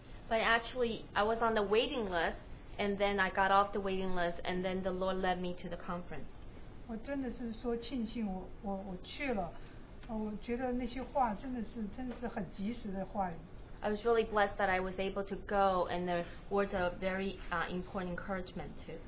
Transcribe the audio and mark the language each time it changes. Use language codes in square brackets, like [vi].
[en] But actually, I was on the waiting list, and then I got off the waiting list, and then the Lord led me to the conference. [zh] 我真的是说庆幸我去了，我觉得那些话真的是很及时的话语。 [en] I was really blessed that I was able to go, and the words are very important encouragement too.